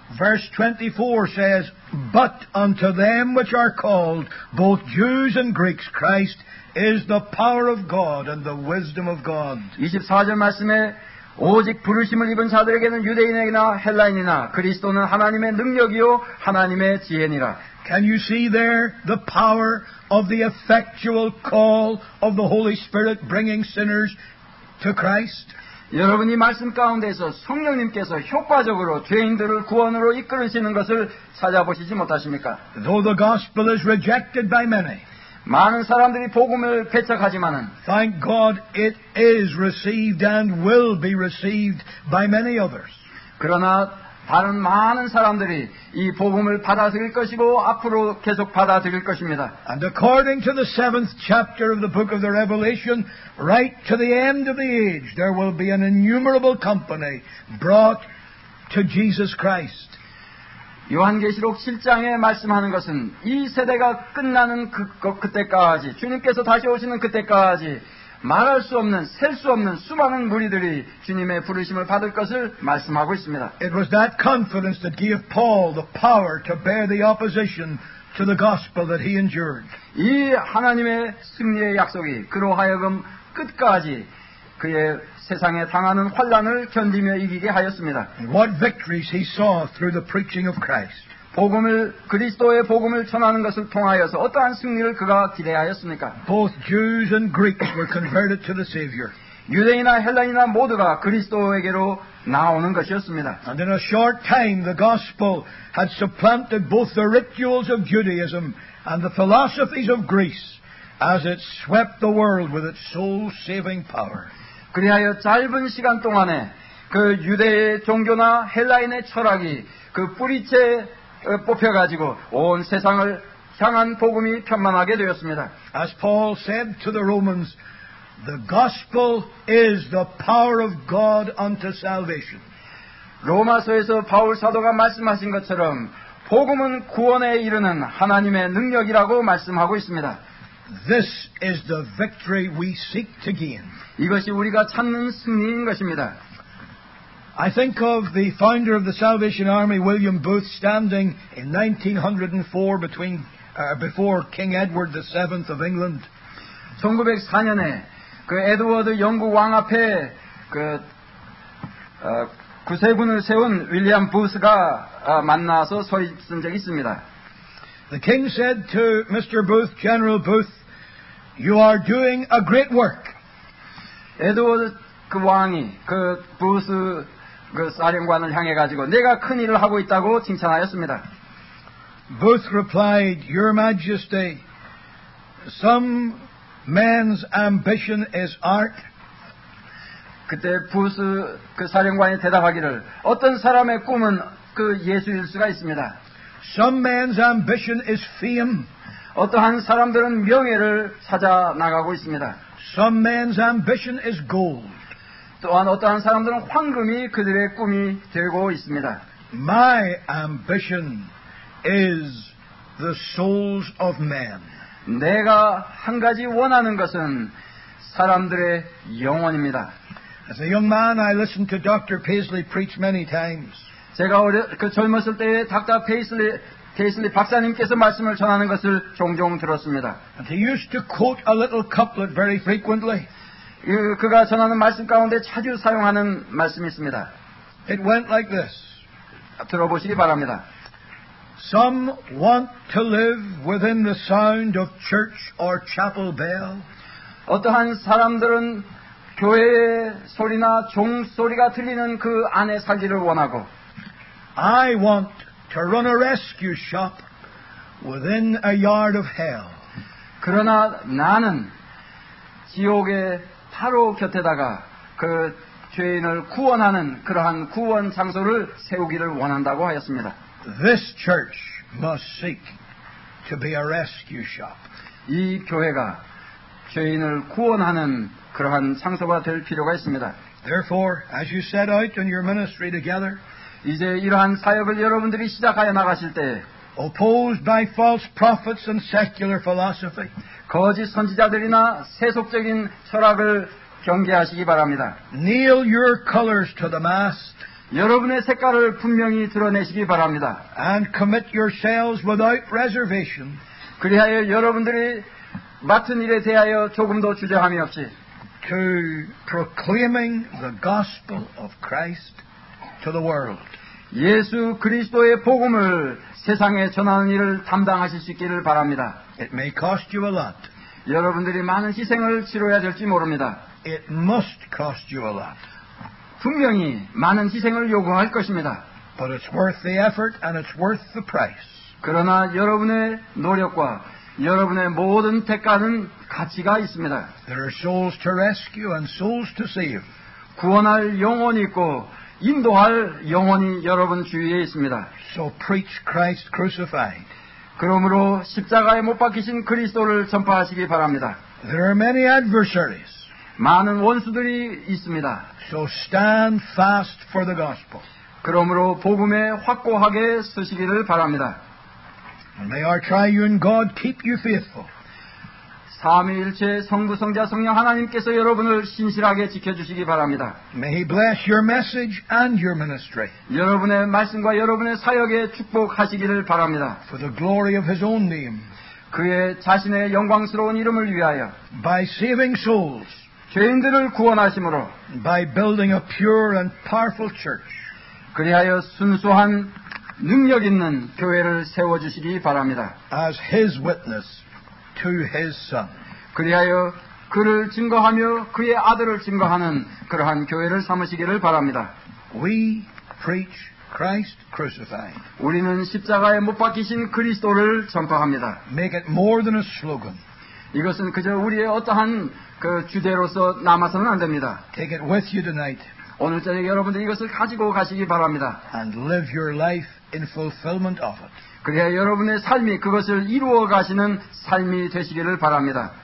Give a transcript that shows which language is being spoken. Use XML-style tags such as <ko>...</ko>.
<en>Verse 24 says, "But unto them which are called, both Jews and Greeks, Christ is the power of God and the wisdom of God."</en> <ko>24절 말씀에 오직 부르심을 입은 자들에게는 유대인에게나 헬라인이나 그리스도는 하나님의 능력이요 하나님의 지혜니라.</ko> <en>Can you see there the power of the effectual call of the Holy Spirit bringing sinners to Christ?</en> <ko>여러분이 말씀 가운데서 성령님께서 효과적으로 죄인들을 구원으로 이끌으시는 것을 찾아보시지 못하십니까?</ko> <en>Though the gospel is rejected by many.</en> <ko>많은 사람들이 복음을 배척하지만은</ko> <en>Thank God it is received and will be received by many others.</en> <ko>그러나 다른 많은 사람들이 이 복음을 받아들일 것이고 앞으로 계속 받아들일 것입니다.</ko> <en>And according to the seventh chapter of the book of the Revelation, right to the end of the age, there will be an innumerable company brought to Jesus Christ.</en> <ko>요한계시록 7장에 말씀하는 것은 이 세대가 끝나는 그때까지 주님께서 다시 오시는 그때까지 말할 수 없는 셀 수 없는 수많은 무리들이 주님의 부르심을 받을 것을 말씀하고 있습니다.</ko> <en>It was that confidence that gave Paul the power to bear the opposition to the gospel that he endured.</en> <ko>이 하나님의 승리의 약속이 그로 하여금 끝까지 그의 세상에 당하는 환난을 견디며 이기게 하였습니다.</ko> <en>What victories he saw through the preaching of Christ.</en> <ko>복음을 그리스도의 복음을 전하는 것을 통하여서 어떠한 승리를 그가 기대하였습니까?</ko> <en>Both Jews and Greeks were converted to the Savior.</en> <ko>유대인이나 헬라인이나 모두가 그리스도에게로 나오는 것이었습니다.</ko> <en>And in a short time the gospel had supplanted both the rituals of Judaism and the philosophies of Greece as it swept the world with its soul-saving power.</en> <ko>그리하여 짧은 시간 동안에 그 유대의 종교나 헬라인의 철학이 그 뿌리채 뽑혀가지고 온 세상을 향한 복음이 편만하게 되었습니다.</ko> <en>As Paul said to the Romans, the gospel is the power of God unto salvation.</en> <ko>로마서에서 바울 사도가 말씀하신 것처럼 복음은 구원에 이르는 하나님의 능력이라고 말씀하고 있습니다.</ko> <en>This is the victory we seek to gain.</en> <ko>이것이 우리가 찾는 승리인 것입니다.</ko> <en>I think of the founder of the Salvation Army, William Booth, standing in 1904 before King Edward VII of England.</en> <ko>1904년에 그 에드워드 영국 왕 앞에 그 구세군을 세운 윌리엄 부스가 만나서 서 있은 적이 있습니다.</ko> <en>The king said to Mr. Booth, General Booth, "You are doing a great work."</en> <ko>에드워드 그 왕이 그 부스 그 사령관을 향해 가지고 내가 큰 일을 하고 있다고 칭찬하였습니다.</ko> <en>Booth replied, "Your Majesty, some man's ambition is art."</en> <ko>그때 부스 그 사령관이 대답하기를 어떤 사람의 꿈은 그 예술일 수가 있습니다.</ko> <en>Some man's ambition is fame.</en> <ko>어떠한 사람들은 명예를 찾아 나가고 있습니다.</ko> <en>Some man's ambition is gold.</en> <ko>또한 어떠한 사람들은 황금이 그들의 꿈이 되고 있습니다.</ko> <en>My ambition is the souls of men.</en> <ko>내가 한 가지 원하는 것은 사람들의 영혼입니다.</ko> <en>As a young man, I listened to Dr. Paisley preach many times.</en> <ko>제가 그 젊었을 때에 닥터 페이슬리 박사님께서 말씀을 전하는 것을 종종 들었습니다.</ko> <en>And he used to quote a little couplet very frequently.</en> <ko>그가 전하는 말씀 가운데 자주 사용하는 말씀이 있습니다.</ko> <en>It went like this.</en> <ko>들어보시기 바랍니다.</ko> <en>Some want to live within the sound of church or chapel bell.</en> <ko>어떠한 사람들은 교회의 소리나 종소리가 들리는 그 안에 살기를 원하고</ko> <en>I want to run a rescue shop within a yard of hell.</en> <ko>그러나 나는 지옥의 바로 곁에다가 그 죄인을 구원하는 그러한 구원 장소를 세우기를 원한다고 하였습니다.</ko> <en>This church must seek to be a rescue shop.</en> <ko>이 교회가 죄인을 구원하는 그러한 장소가 될 필요가 있습니다.</ko> <en>Therefore, as you set out on your ministry together,</en> <ko>이제 이러한 사역을 여러분들이 시작하여 나가실 때,</ko> <en>opposed by false prophets and secular philosophy,</en> <ko>거짓 선지자들이나 세속적인 철학을 경계하시기 바랍니다.</ko> <en>Nail your colors to the mast,</en> <ko>여러분의 색깔을 분명히 드러내시기 바랍니다.</ko> <en>And commit yourselves without reservation,</en> <ko>그리하여 여러분들이 맡은 일에 대하여 조금도 주저함이 없이,</ko> <en>to proclaiming the gospel of Christ. To the world.</en> <ko>예수 그리스도의 복음을 세상에 전하는 일을 담당하실 수 있기를 바랍니다.</ko> <en>It may cost you a lot.</en> <ko>여러분들이 많은 희생을 치러야 될지 모릅니다.</ko> <en>It must cost you a lot.</en> <ko>분명히 많은 희생을 요구할 것입니다.</ko> <en>But it's worth the effort and it's worth the price.</en> <ko>그러나 여러분의 노력과 여러분의 모든 대가는 가치가 있습니다.</ko> <en>There are souls to rescue and souls to save.</en> <ko>구원할 영혼이 있고 인도할 영혼이 여러분 주위에 있습니다.</ko> <en>So preach Christ crucified.</en> <ko>그러므로 십자가에 못 박히신 그리스도를 전파하시기 바랍니다.</ko> <en>There are many adversaries.</en> <ko>많은 원수들이 있습니다.</ko> <en>So stand fast for the gospel.</en> <ko>그러므로 복음에 확고하게 서시기를 바랍니다.</ko> <en>And may our triune God keep you faithful.</en> <ko>삼위일체 성부 성자 성령 하나님께서 여러분을 신실하게 지켜주시기 바랍니다.</ko> <en>May He bless your message and your ministry.</en> <ko>여러분의 말씀과 여러분의 사역에 축복하시기를 바랍니다.</ko> <en>For the glory of His own name.</en> <ko>그의 자신의 영광스러운 이름을 위하여.</ko> <en>By saving souls.</en> <ko>죄인들을 구원하심으로.</ko> <en>By building a pure and powerful church.</en> <ko>그리하여 순수한 능력 있는 교회를 세워주시기 바랍니다.</ko> <en>As His witness. To His Son.</en> <ko>그리하여 그를 증거하며 그의 아들을 증거하는 그러한 교회를 삼으시기를 바랍니다.</ko> <en>We preach Christ crucified.</en> <ko>우리는 십자가에 못 박히신 그리스도를 전파합니다.</ko> <en>Make it more than a slogan.</en> <ko>이것은 그저 우리의 어떠한 그 주제로서 남아서는 안 됩니다.</ko> <en>Take it with you tonight.</en> <ko>오늘 저녁 여러분들 이것을 가지고 가시기 바랍니다.</ko> <en>And live your life in fulfillment of it.</en> <ko>그래야 여러분의 삶이 그것을 이루어 가시는 삶이 되시기를 바랍니다.</ko>